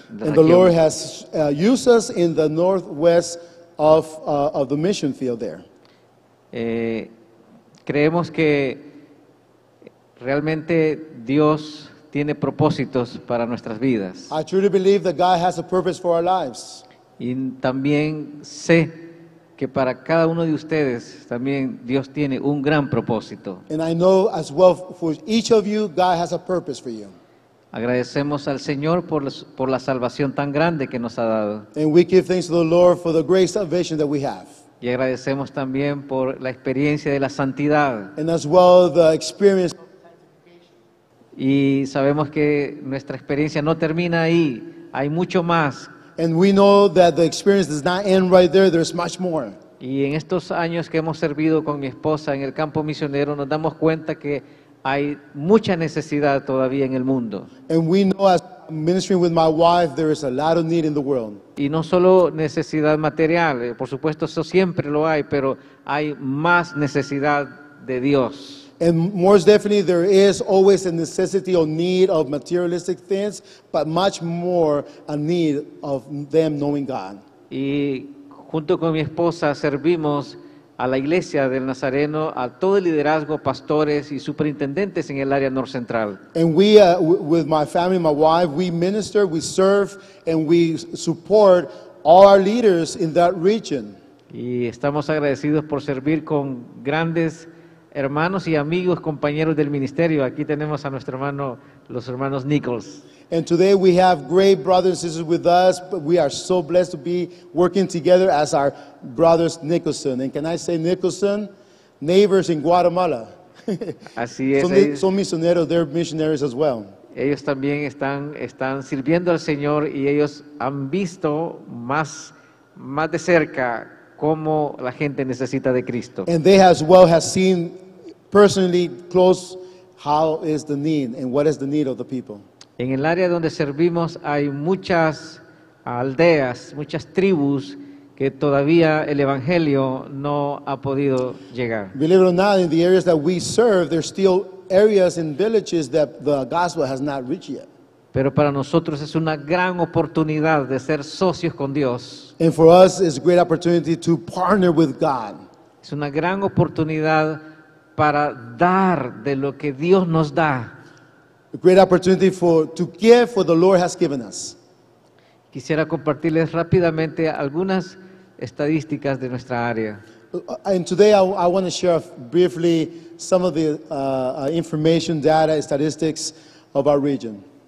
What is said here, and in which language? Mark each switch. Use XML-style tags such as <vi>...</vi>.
<en>And the Lord has used us in the northwest of the mission field there.</en> <es>Creemos que realmente Dios tiene propósitos para nuestras vidas.</es> <en>I truly believe that God has a purpose for our lives.</en> <es>Y también sé que para cada uno de ustedes también Dios tiene un gran propósito.</es> <en>And I know as well for each of you, God has a purpose for you.</en> <es>Agradecemos al Señor por la salvación tan grande que nos ha dado.</es> <en>And we give thanks to the Lord for the great salvation that we have.</en> <es>Y agradecemos también por la experiencia de la santidad.</es> <en>And as well the experience.</en> <es>Y sabemos que nuestra experiencia no termina ahí. Hay mucho más.</es> <en>And we know that the experience does not end right there. There's much more.</en> <es>Y en estos años que hemos servido con mi esposa en el campo misionero, nos damos cuenta que hay mucha necesidad todavía en el mundo.</es> <en>And we know as ministering with my wife, there is a lot of need in the world.</en> <es>Y no solo necesidad material, por supuesto eso siempre lo hay, pero hay más necesidad de Dios.</es> <en>And more definitely, there is always a necessity or need of materialistic things, but much more a need of them knowing God.</en> <es>Y junto con mi esposa servimos a la iglesia del Nazareno, a todo el liderazgo, pastores y superintendentes en el área norte central.</es> <en>And we, with my family, my wife, we minister, we serve, and we support all our leaders in that region.</en> <es>Y estamos agradecidos por servir con grandes hermanos y amigos, compañeros del ministerio. Aquí tenemos a nuestro hermano, los hermanos Nichols.</es> <en>And today we have great brothers and sisters with us, but we are so blessed to be working together as our brothers Nicholson. And can I say Nicholson? Neighbors in Guatemala.</en> <es>Así es. Son misioneros,</es> <en>they're missionaries as well.</en> <es>Ellos también están sirviendo al Señor y ellos han visto más de cerca cómo la gente necesita de Cristo.</es> <en>And they as well have seen personally close how is the need and what is the need of the people.</en> <es>En el área donde servimos hay muchas aldeas, muchas tribus que todavía el evangelio no ha podido llegar.</es> <en>Believe it or not, in the areas that we serve, there's still areas and villages that the gospel has not reached yet.</en> <es>Pero para nosotros es una gran oportunidad de ser socios con Dios.</es> <en>And for us, it's a great opportunity to partner with God.</en> <es>Es una gran oportunidad para dar de lo que Dios nos da.</es> <en>A great opportunity to give what the Lord has given us.</en> <es>Quisiera compartirles rápidamente algunas estadísticas de nuestra área.</es> <en>And today I want to share briefly some of the information, data, statistics of our region.</en>